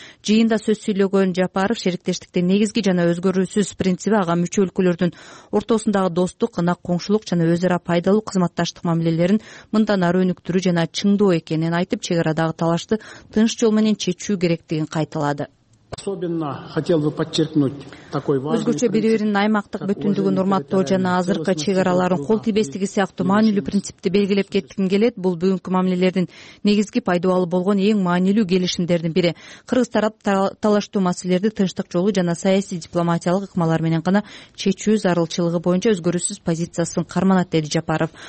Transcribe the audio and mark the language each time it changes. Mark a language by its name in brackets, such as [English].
[Kyrgyz] Жыйында сөз сүйлөгөн Жапаров шериктештиктин негизги жана өзгөрүүсүз принциби, ага мүчө өлкөлөрдүн ортосундагы достук, анак коңшулук жана өз ара пайдалуу кызматташтык мамилелерин мындан ары өнүктүрүү жана чыңдоо экенин айтып, чек арадагы талашты тынч жол менен чечүү керектигин кайталады. [Russian] Особенно хотел бы подчеркнуть такой важный. [Kyrgyz] Өзгөчө бири-биринин аймактык бүтүндүгүн урматтоо жана азыркы чек аралардын кол тийбестиги сыяктуу маанилүү принципти белгилеп кеткин келет. Бул бүгүнкү мамилелердин негизги пайдубалы болгон эң маанилүү келишимдердин бири. Кыргыз тарап талаштуу маселелерди тынчтык жолу жана саясий дипломатиялык ыкмалар менен гана чечүү зарылчылыгы боюнча өзгөрүүсүз позициясын карманат, деди Жапаров.